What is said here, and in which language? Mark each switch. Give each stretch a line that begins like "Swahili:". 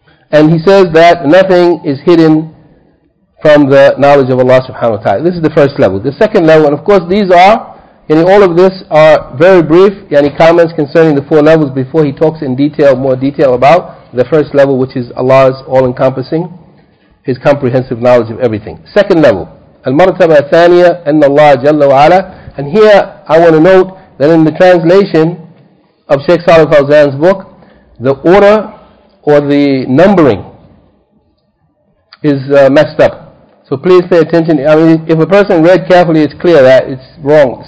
English: And He says that nothing is hidden from the knowledge of Allah subhanahu wa ta'ala. This is the first level. The second level, and of course these are, yani all of this are very brief yani comments concerning the four levels before he talks in detail, more detail about the first level, which is Allah's all-encompassing, His comprehensive knowledge of everything. Second level,
Arabic: المرتبة الثانية أن الله جل وعلا.
English: And here I want to note that in the translation of Sheikh Saleh Fawzan's book, the order or the numbering is messed up. So please pay attention. I mean, if a person read carefully, it's clear that it's wrong.